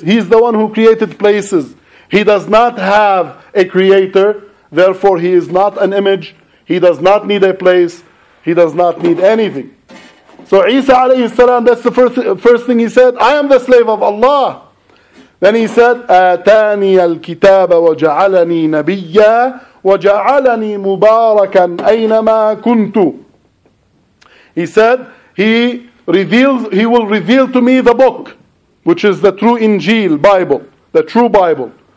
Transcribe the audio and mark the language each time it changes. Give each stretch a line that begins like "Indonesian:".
English: He is the one who created places. He does not have a creator, therefore he is not an image, he does not need a place, he does not need anything. So Isa alayhi salam, that's the first thing he said, I am the slave of Allah.
Arabic: Then he said, أَتَانِي الْكِتَابَ وَجَعَلَنِي نَبِيًّا وَجَعَلَنِي مُبَارَكًا أَيْنَمَا كُنْتُ.
English: He said, he will reveal to me the book, which is the true Injil, Bible, the true Bible.